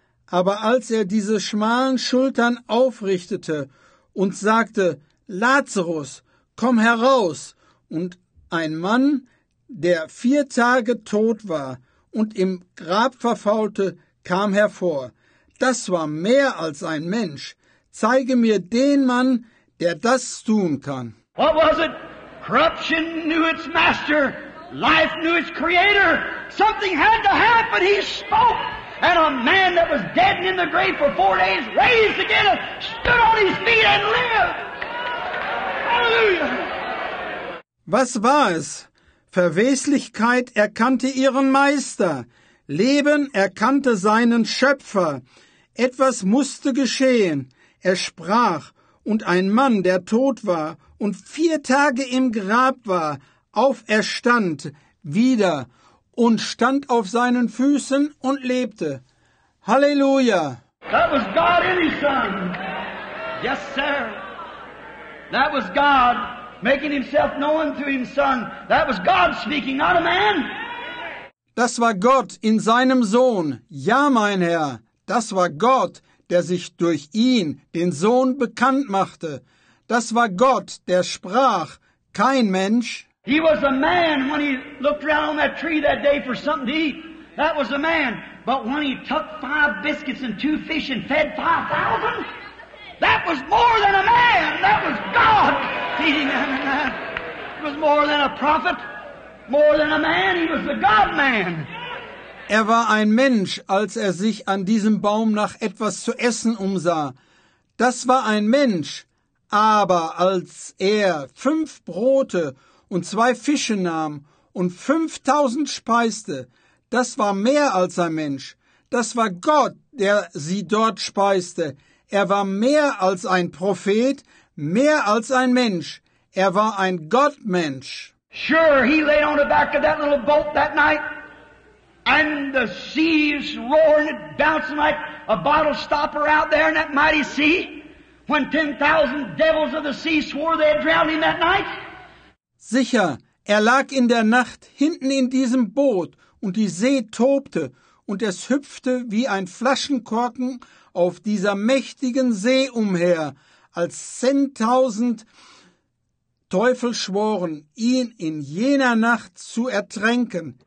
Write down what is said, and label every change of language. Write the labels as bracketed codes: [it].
[de] Aber als er diese schmalen Schultern aufrichtete und sagte, Lazarus, komm heraus, und ein Mann, der 4 Tage tot war und im Grab verfaulte, kam hervor. Das war mehr als ein Mensch. Zeige mir den Mann, der das tun kann. [en] What was it? Corruption knew its master. Life knew its creator. Something had to happen. He spoke. And a man that was dead and in the grave for 4 days, raised again, stood on his feet and lived. Hallelujah. [de] Was war es? Verweslichkeit erkannte ihren Meister. Leben erkannte seinen Schöpfer. Etwas musste geschehen. Er sprach. Und ein Mann, der tot war und 4 Tage im Grab war, auferstand wieder und stand auf seinen Füßen und lebte. Halleluja! [en] That was God in his son. Yes, sir. That was God making himself known to his son. That was God speaking, not a man. [de] Das war Gott in seinem Sohn. Ja, mein Herr, das war Gott, der sich durch ihn, den Sohn, bekannt machte. Das war Gott, der sprach, kein Mensch. [en] He was a man when he looked around on that tree that day for something to eat. That was a man. But when he took 5 biscuits and 2 fish and fed 5,000, that was more than a man. That was God feeding that man. It was more than a prophet, more than a man. He was a God man. [de] Er war ein Mensch, als er sich an diesem Baum nach etwas zu essen umsah. Das war ein Mensch. Aber als er 5 Brote und 2 Fische nahm und 5000 speiste, das war mehr als ein Mensch. Das war Gott, der sie dort speiste. Er war mehr als ein Prophet, mehr als ein Mensch. Er war ein Gottmensch. [en] Sure, he lay on the back of that little boat that night. And the seas roaring and bouncing like a bottle stopper out there in that mighty sea, when 10,000 devils of the sea swore they had drowned him that night? [de] Sicher, er lag in der Nacht hinten in diesem Boot, und die See tobte, und es hüpfte wie ein Flaschenkorken auf dieser mächtigen See umher, als 10,000 Teufel schworen, ihn in jener Nacht zu ertränken.